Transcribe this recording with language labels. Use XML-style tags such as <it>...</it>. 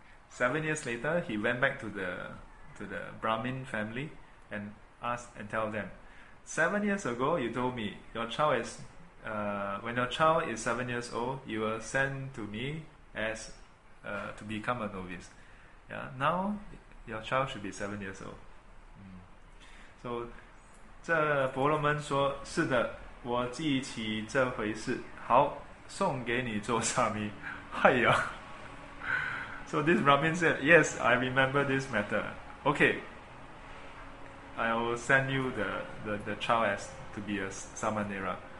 <en>7 years later, he went back to the Brahmin family and asked and tell them, 7 years ago, you told me your child is. When your child is 7 years old, you will send to me as to become a novice. Yeah. Now, your child should be 7 years old.</en> <zh>So, 这婆罗门说，是的，我记起这回事，好，送给你做沙弥。哎呀。</zh> <en>So this Brahmin said, yes, I remember this matter. Okay, I will send you the child as to be a Samanera.</en>